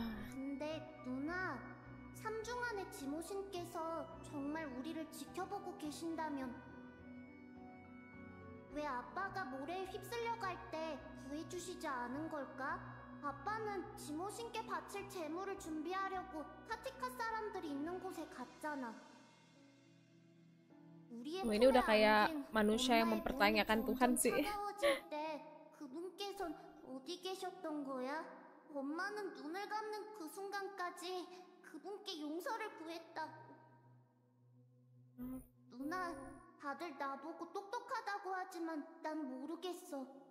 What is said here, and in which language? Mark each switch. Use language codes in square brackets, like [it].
[ko] 근데 누나, 3중 안에 지모신께서 정말 우리를 지켜보고 계신다면 왜 아빠가 모래에 휩쓸려 갈 때 구해주시지 않은 걸까? 아빠는 지모신께 바칠 재물을 준비하려고 카티카 사람들이 있는 곳에 갔잖아. [id] 어, ini udah kayak manusia yang mempertanyakan Tuhan sih. [ko] 그분께선 어디 계셨던 거야? 엄마는 눈을 감는 그 순간까지 그분께 용서를 구했다고. 누나, 다들 나보고 똑똑하다고 하지만 난 모르겠어.